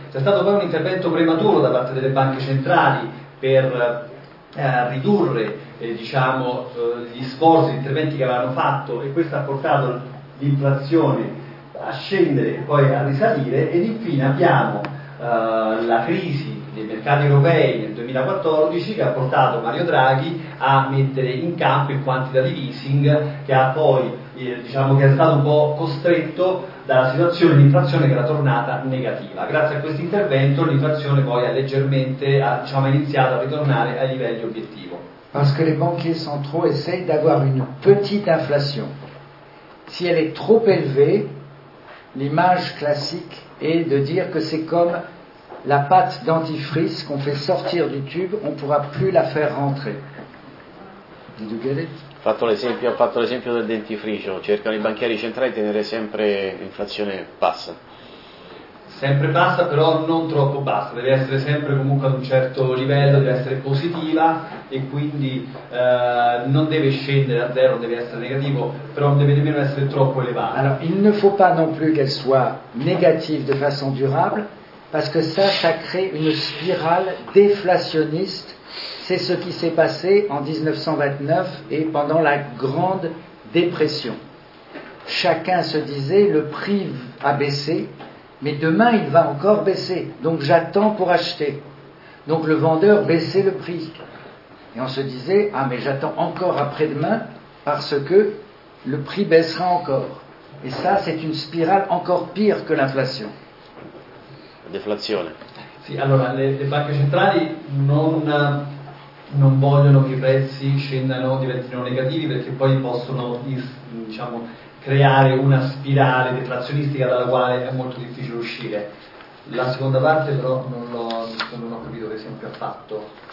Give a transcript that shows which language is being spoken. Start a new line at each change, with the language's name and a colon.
Italian: C'è stato poi un intervento prematuro da parte delle banche centrali per ridurre gli sforzi, gli interventi che avevano fatto, e questo ha portato l'inflazione a scendere e poi a risalire, ed infine abbiamo la crisi dei mercati europei nel 2014 che ha portato Mario Draghi a mettere in campo il quantitative easing, che ha poi che è stato un po' costretto dalla situazione di inflazione che era tornata negativa. Grazie a questo intervento l'inflazione poi ha iniziato a ritornare ai livelli obiettivo.
French: Parce que les banquiers centraux essayent d'avoir une petite inflation. Si elle est trop élevée, l'image classique est de dire que c'est comme la pâte dentifrice qu'on fait sortir du tube, on ne pourra plus la faire rentrer.
English: Did you get it?
Italian: Ho fatto l'esempio del dentifricio, cercano i banchieri centrali di tenere sempre l'inflazione bassa. Sempre bassa, però non troppo bassa, deve essere sempre comunque ad un certo livello, deve essere positiva e quindi non deve scendere a zero, deve essere negativo, però non deve nemmeno essere troppo elevata.
French: Allora, il ne faut pas non plus qu'elle soit négative de façon durable, parce que ça crée une spirale déflationniste. C'est ce qui s'est passé en 1929 et pendant la Grande Dépression. Chacun se disait, le prix a baissé, mais demain il va encore baisser, donc j'attends pour acheter. Donc le vendeur baissait le prix. Et on se disait, ah mais j'attends encore après-demain parce que le prix baissera encore. Et ça, c'est une spirale encore pire que l'inflation. La déflation.
Italian: Sì, allora le banche centrali non vogliono che i prezzi scendano, diventino negativi, perché poi possono diciamo, creare una spirale deflazionistica dalla quale è molto difficile uscire. La seconda parte però non ho capito che esempio ha fatto.